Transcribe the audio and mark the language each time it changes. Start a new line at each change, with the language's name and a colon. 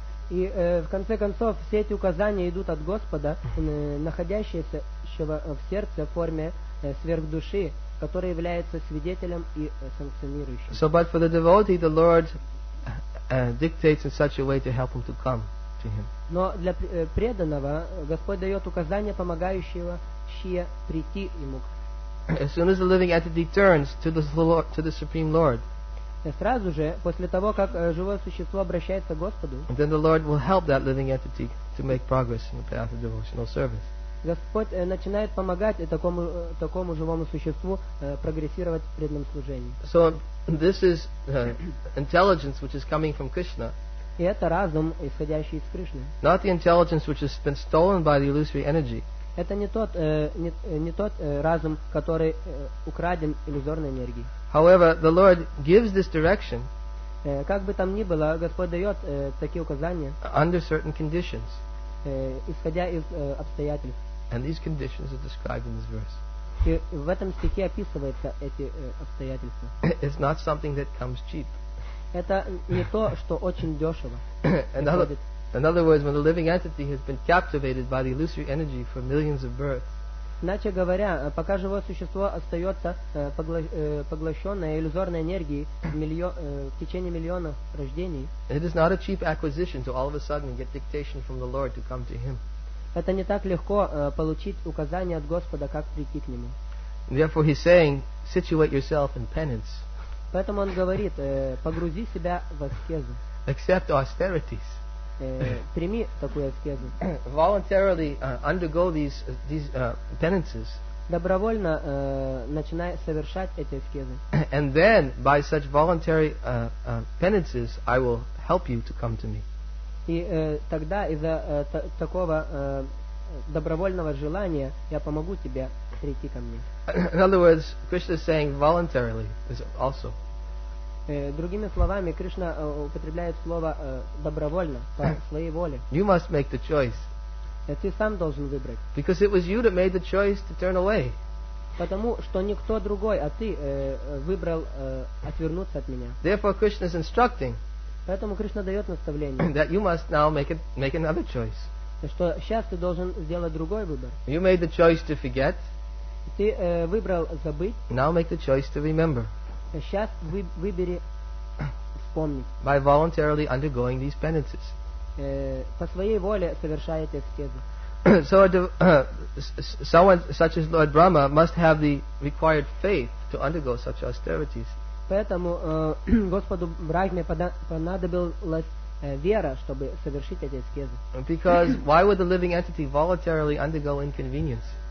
Russian: И в конце концов все эти указания идут от Господа, находящегося в сердце в форме сверхдуши, который является свидетелем и санкционирующим.
English: So, but for the devotee, the Lord dictates in such a way to help him to come to him.
Russian: Но для преданного Господь дает указания, помогающего ще прийти ему.
English: As soon as the living entity turns to the Supreme Lord,
Russian: сразу же после того, как живое существо обращается к Господу,
English: then the Lord will help that living entity to make progress in the path of devotional service.
Russian: Господь начинает помогать такому живому существу прогрессировать в преданном служении.
English: So this is intelligence which is coming from Krishna.
Russian: И это разум, исходящий из Кришны.
English: Not the intelligence which has been stolen by the illusory energy.
Russian: Это не тот разум, который украден иллюзорной энергией.
English: However, the Lord gives this direction.
Russian: Как бы там ни было, Господь дает такие указания.
English: Under certain conditions.
Russian: Исходя из обстоятельств.
English: And these conditions are described in this verse.
Russian: И в этом стихе описываются эти обстоятельства.
English: It's not something that comes cheap.
Russian: Это не то, что очень дешево.
English: In other words, when the living entity has been captivated by the illusory energy for millions of births,
Russian: иначе говоря, пока живое существо остается поглощенное иллюзорной энергией в течение миллионов рождений,
English: it is not a cheap acquisition to all of a sudden get dictation from the Lord to come to him.
Russian: Это не так легко получить указание от Господа, как прийти к нему.
English: Therefore he's saying, situate yourself in penance.
Russian: Поэтому он говорит, погрузи себя в аскезу.
English: Accept austerities.
Russian: Прими такую аскезу.
English: Voluntarily undergo these penances.
Russian: Добровольно начинай совершать эти аскезы.
English: And then by such voluntary penances I will help you to come to me.
Russian: И тогда из-за такого добровольного желания я помогу тебе прийти ко мне.
English: In other words, Krishna is saying voluntarily is also.
Russian: Другими словами, Кришна употребляет слово добровольно, по своей воле.
English: You must make the choice.
Russian: Ты сам должен выбрать.
English: Because it was you that made the choice to turn away.
Russian: Потому что никто другой, а ты выбрал отвернуться от меня.
English: Therefore, Krishna is instructing.
Russian: Поэтому Кришна дает наставление.
English: That you must now make another choice.
Russian: Что сейчас ты должен сделать другой выбор.
English: You made the choice to forget.
Russian: Ты выбрал забыть.
English: Now make the choice to remember.
Russian: Сейчас выбери вспомнить.
English: By voluntarily undergoing these penances.
Russian: По своей воле совершая эти аскезы.
English: So someone such as Lord Brahma must have the required faith to undergo such austerities.
Russian: Поэтому Господу Брахме понадобилась вера, чтобы совершить эти аскезы.
English: Because why would the living entity voluntarily undergo inconvenience?